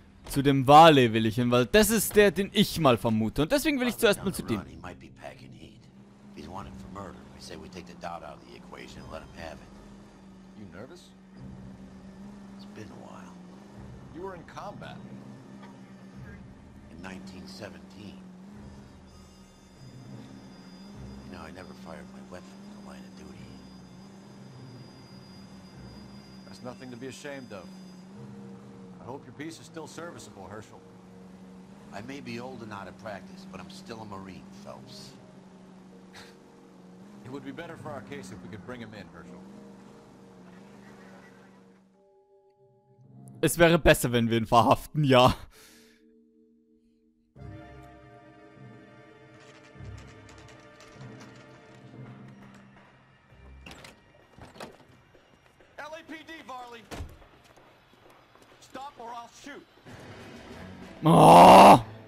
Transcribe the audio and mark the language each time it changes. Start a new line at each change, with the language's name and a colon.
German: Zu dem Vale will ich hin, weil das ist der, den ich mal vermute. Und deswegen will ich zuerst mal zu dem.
English: He might be packing heat. He's wanted for murder. I say we take the doubt out of the equation and let him have it. You nervous? It's been a while. You were in combat. In 1917. You know, I never fired my weapon in the line of duty. That's nothing to be ashamed of. I hope your piece is still serviceable, Herschel. I may be old and out of practice, but I'm still a Marine, Phelps. It would be better for our case if we could bring him in, Herschel.
German: Es wäre besser, wenn wir ihn verhaften, ja.
English: LAPD, Varley. Stop or I'll shoot. Oh.